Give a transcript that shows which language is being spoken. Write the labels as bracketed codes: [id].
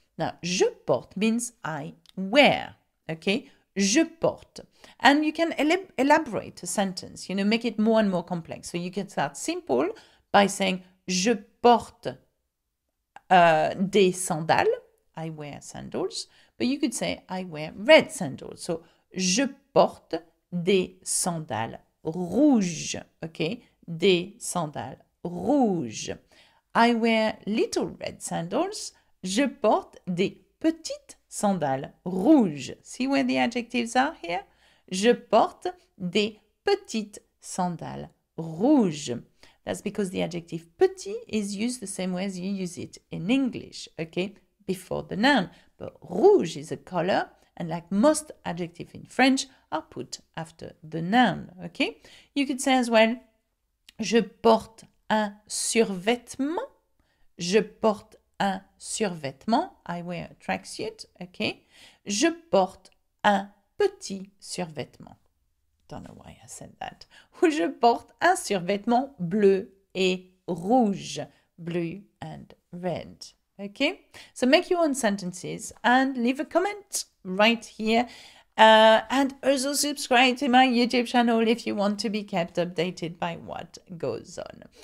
[en] Now, [fr] je porte [en] means I wear. Okay? [fr] Je porte. [en] And you can elaborate a sentence, you know, make it more and more complex. So you can start simple by saying [fr] je porte des sandales. [en] I wear sandals. But you could say I wear red sandals. [fr] So je porte des sandales rouges. Okay? Des sandales rouges. [en] I wear little red sandals. [fr] Je porte des petites sandales rouges. [en] See where the adjectives are here? [fr] Je porte des petites sandales rouges. [en] That's because the adjective petit is used the same way as you use it in English, okay? Before the noun. But rouge is a color, and like most adjectives in French, are put after the noun, okay? You could say as well, [fr] je porte un survêtement. Je porte un survêtement. [en] I wear a tracksuit, okay? [fr] Je porte un petit survêtement. [en] Don't know why I said that. [fr] Ou je porte un survêtement bleu et rouge. [en] Blue and red. Okay? So make your own sentences and leave a comment right here. And also subscribe to my YouTube channel if you want to be kept updated by what goes on.